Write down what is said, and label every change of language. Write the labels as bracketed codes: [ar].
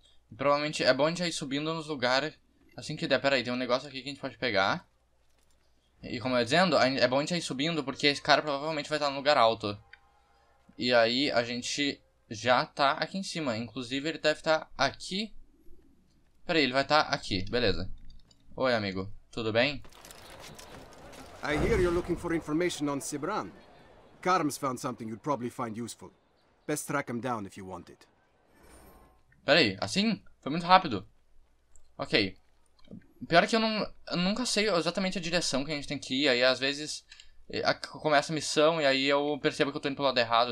[pt] E provavelmente é bom a gente ir subindo nos lugares. Assim que der, peraí, tem um negócio aqui que a gente pode pegar. E como eu ia dizendo, é bom a gente ir subindo porque esse cara provavelmente vai estar no lugar alto. E aí a gente já tá aqui em cima. Inclusive, ele deve estar aqui. Peraí, ele vai estar aqui, beleza. Oi, amigo, tudo bem? [en] I hear you're looking for information on Sibran. Carms found something you'd probably find useful. Best track him down if you want it. [pt] Peraí, assim? Foi muito rápido. Ok. Pior é que eu nunca sei exatamente a direção que a gente tem que ir. Aí às vezes começa a missão e aí eu percebo que eu tô indo pro lado errado.